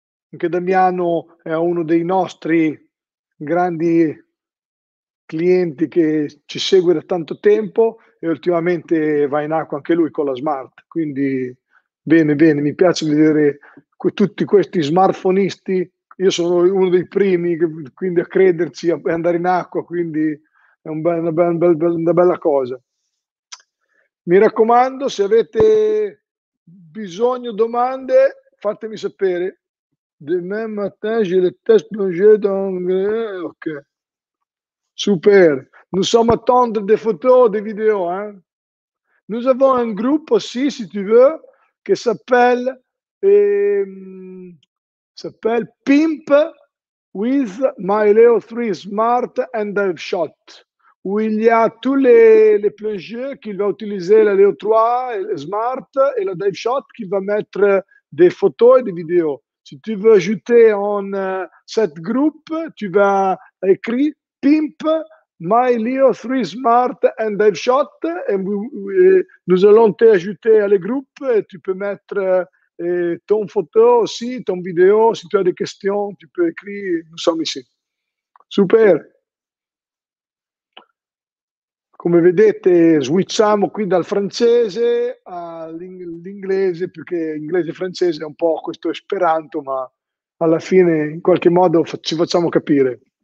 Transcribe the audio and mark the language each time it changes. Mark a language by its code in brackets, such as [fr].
[it] Anche Damiano è uno dei nostri grandi clienti che ci segue da tanto tempo e ultimamente va in acqua anche lui con la smart, quindi bene bene, mi piace vedere tutti questi smartphoneisti, io sono uno dei primi quindi a crederci, a andare in acqua, quindi è una bella cosa. Mi raccomando, se avete bisogno, domande, fatemi sapere. [fr] Demain matin j'ai le test plongé d'anglais. Ok. Super, nous sommes attendre des photos, des vidéos. Hein? Nous avons un groupe aussi, si tu veux, qui s'appelle Pimp with my Leo 3 Smart and Dive Shot, où il y a tous les plongeurs qu'il va utiliser, la Leo 3 la Smart et la Dive Shot, qui va mettre des photos et des vidéos. Si tu veux ajouter en cet groupe, tu vas écrire Pimp, My Leo 3 Smart and Dive Shot, et nous allons te ajouter à le groupe, et tu peux mettre ton photo aussi, ton vidéo. Si tu as des questions, tu peux écrire. Nous sommes ici. Super. [it] Come vedete, switchiamo qui dal francese all'inglese, più che inglese e francese, è un po' questo esperanto, ma alla fine in qualche modo ci facciamo capire.